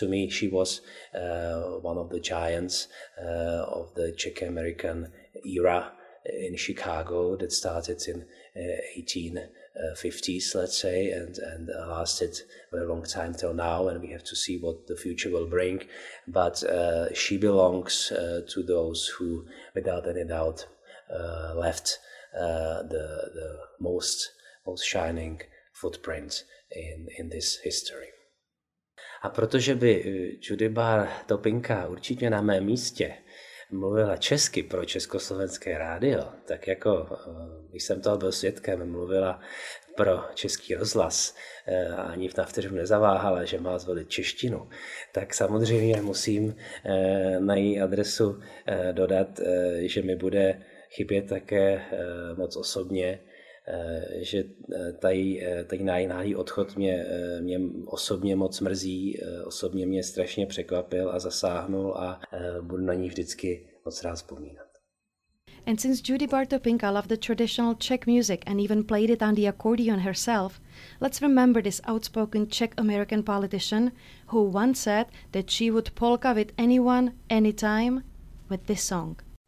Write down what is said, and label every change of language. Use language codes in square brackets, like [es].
[en] To me, she was one of the giants of the Czech American era in Chicago that started in 1850s, let's say, and lasted for a long time till now, and we have to see what the future will bring. But she belongs to those who, without any doubt, left the most shining footprint in this history. [cs] A protože by Judy Bartopinka určitě na mém místě mluvila česky pro Československé rádio, tak jako když jsem toho byl svědkem, mluvila pro Český rozhlas a ani na vteřinu nezaváhala, že má zvolit češtinu, tak samozřejmě musím na její adresu dodat, že mi bude chybět také moc osobně, že tady náhlý odchod mě osobně moc mrzí, osobně mě strašně překvapil a zasáhnul a budu na ní vždycky moc rád vzpomínat. [en] And since Judy Bartopinka loved the traditional Czech music and even played it on the accordion herself, let's remember this outspoken Czech-American politician who once said that she would polka with anyone, anytime, with this song.